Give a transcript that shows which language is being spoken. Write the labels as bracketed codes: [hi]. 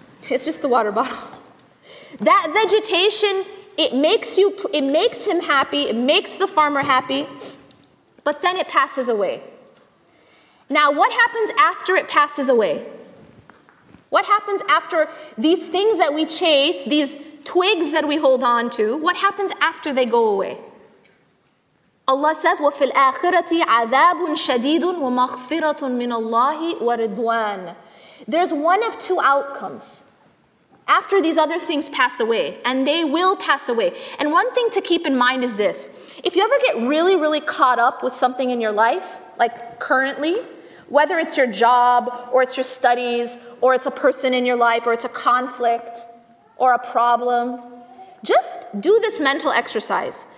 [en] It's just the water bottle. That vegetation, it makes him happy, it makes the farmer happy, but then it passes away. Now, what happens after it passes away? What happens after these things that we chase, these twigs that we hold on to, what happens after they go away? Allah says, [ar] وَفِي الْآخِرَةِ عَذَابٌ شَدِيدٌ وَمَغْفِرَةٌ مِنَ اللَّهِ وَرِضْوَانٌ. [en] There's one of two outcomes after these other things pass away, and they will pass away. And one thing to keep in mind is this. If you ever get really, really caught up with something in your life, like currently, whether it's your job or it's your studies or it's a person in your life or it's a conflict or a problem, just do this mental exercise.